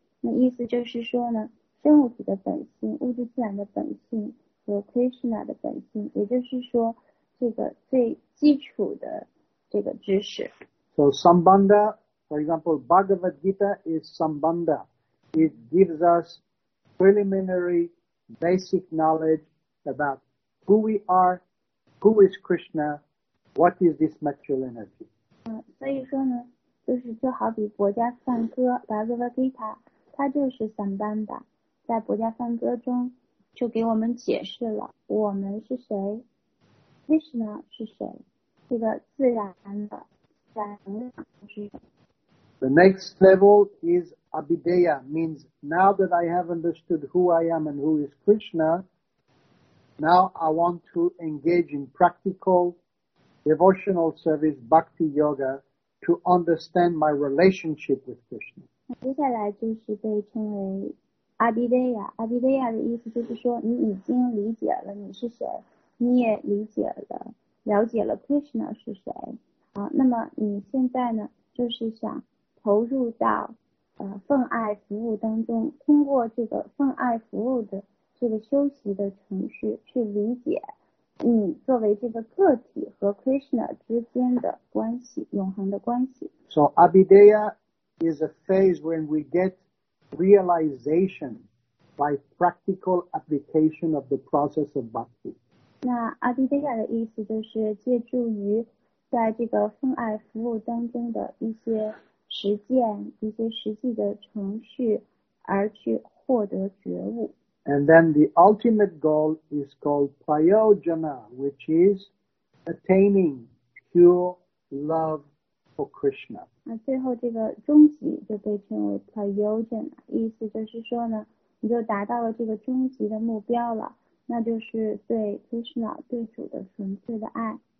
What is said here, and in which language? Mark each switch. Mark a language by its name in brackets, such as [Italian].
[Chinese] 那意思就是说呢，生物体的本性、物质自然的本性和 Krishna 的本性，也就是说这个最基础的这个知识。 [English] So Sambandha, for example, Bhagavad Gita is Sambandha. It gives us preliminary basic knowledge about who we are, who is Krishna, what is this material energy. [Chinese] 所以说呢，就是就好比《博伽梵歌》Bhagavad Gita， 它就是Sambandha。在《博伽梵歌》中，就给我们解释了我们是谁 ，Krishna 是谁，这个自然的自然能量是谁。 [English] The next level is Abideya, means now that I have understood who I am and who is Krishna, now I want to engage in practical devotional service, bhakti yoga, to understand my relationship with Krishna. [Chinese] 接下来就是被称为 Abideya. Abideya 的意思就是说你已经理解了你是谁，你也理解了，了解了 Krishna 是谁。好，那么你现在呢，就是想投入到奉爱服务当中，通过这个奉爱服务的这个修习的程序去理解你作为这个个体和 Krishna 之间的关系，永恒的关系。 [English] So Abideya is a phase when we get realization by practical application of the process of bhakti. [Chinese] 那 Abideya 的意思就是借助于在这个奉爱服务当中的一些实践，一些实际的程序而去获得觉悟。 [English] And then the ultimate goal is called prayojana, which is attaining pure love for Krishna. [Chinese] 那最后这个终极就被称为 prayojana， 意思就是说呢，你就达到了这个终极的目标了，那就是对 Krishna 对主的纯粹的爱。